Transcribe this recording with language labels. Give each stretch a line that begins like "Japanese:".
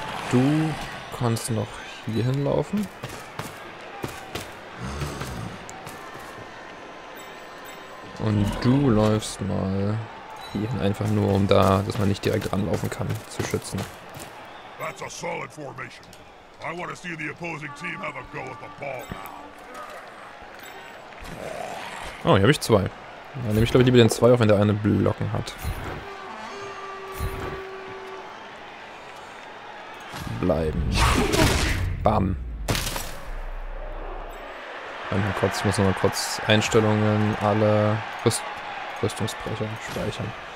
German: Du kannst noch hier hinlaufen. Und du läufst mal hier hin, einfach nur um da, dass man nicht direkt ranlaufen kann, zu schützen.
English: That's a solid formation. I want to see the opposing team have a go at the ball now.
German: Oh, hier habe ich zwei. Dann nehme ich, glaube ich, lieber den zwei auf, wenn der eine Blocken hat. bleiben. Bam. Einmal kurz, muss nochmal kurz Einstellungen alle Rüstungsbrecher speichern.